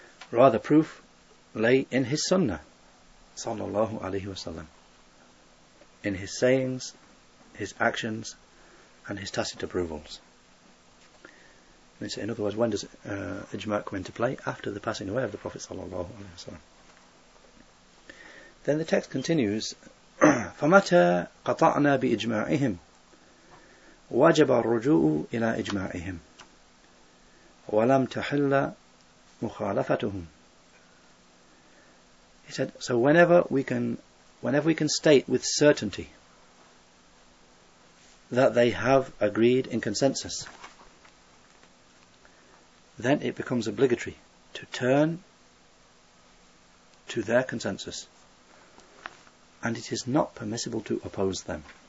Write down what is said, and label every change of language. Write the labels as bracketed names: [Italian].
[English] Rather, proof lay in his sunnah sallallahu alaihi wasallam, in his sayings, his actions, and his tacit approvals. In other words, when does ijma' come into play? After the passing away of the Prophet sallallahu alaihi wasallam. Then the text continues, [Arabic] فَمَتَى قَطَعْنَا بِإِجْمَاعِهِمْ وَجَبَ الرُّجُوءُ إِلَىٰ إِجْمَاعِهِمْ وَلَمْ تَحِلَّ مُخَالَفَتُهُمْ. [English] He said, so whenever we can state with certainty that they have agreed in consensus, then it becomes obligatory to turn to their consensus, and it is not permissible to oppose them.